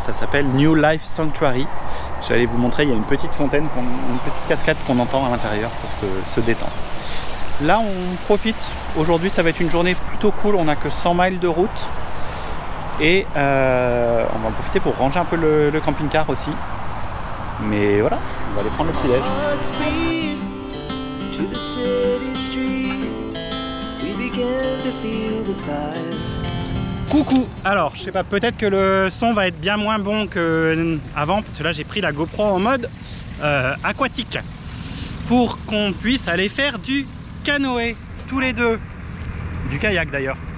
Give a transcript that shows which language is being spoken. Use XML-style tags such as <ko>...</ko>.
<fr>Ça s'appelle New Life Sanctuary. Je vais aller vous montrer, il y a une petite fontaine, une petite cascade qu'on entend à l'intérieur pour se détendre. Là, on profite. Aujourd'hui, ça va être une journée plutôt cool. On n'a que 100 miles de route. Et on va en profiter pour ranger un peu le camping-car aussi. Mais voilà, on va aller prendre le petit-déj.</fr> <en>To the city streets, we began to feel the fire.</en> <fr>Coucou. Alors, je sais pas, peut-être que le son va être bien moins bon qu'avant, parce que là j'ai pris la GoPro en mode aquatique pour qu'on puisse aller faire du canoë tous les deux, du kayak d'ailleurs.</fr>